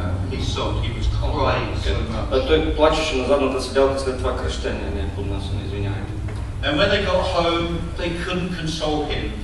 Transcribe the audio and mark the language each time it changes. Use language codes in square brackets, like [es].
[en] He sobbed, he was crying so much. [bg] А той плачеше на задната седалка след това кръщение, не поднасене, извинявайте. [en] And when they got home, they couldn't console him.